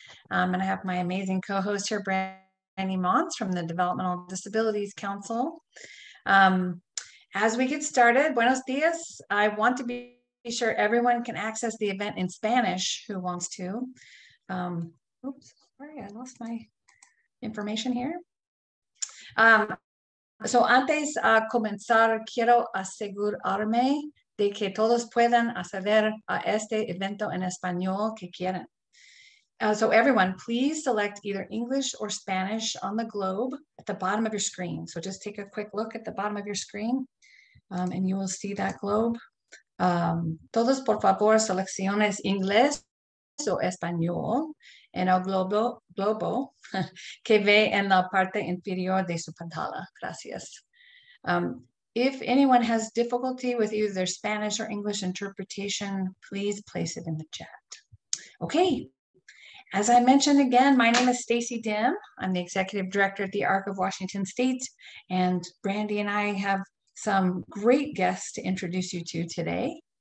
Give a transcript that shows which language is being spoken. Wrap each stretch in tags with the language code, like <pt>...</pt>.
<en>And I have my amazing co-host here, Brandy Mons from the Developmental Disabilities Council. As we get started,</en> <es>buenos dias.</es> <en>I want to be sure everyone can access the event in Spanish who wants to. I lost my information here.</en> <es>So antes de comenzar, quiero asegurarme de que todos puedan acceder a este evento en español que quieran.</es> <en>So everyone, please select either English or Spanish on the globe at the bottom of your screen. So just take a quick look at the bottom of your screen and you will see that globe.</en> <es>Todos por favor selecciones inglés o español en el globo que ve en la parte inferior de su pantalla. Gracias.</es> <en>If anyone has difficulty with either their Spanish or English interpretation, please place it in the chat. Okay. As I mentioned again, my name is Stacey Dim. I'm the Executive Director at the ARC of Washington State, and Brandy and I have some great guests to introduce you to today.</en>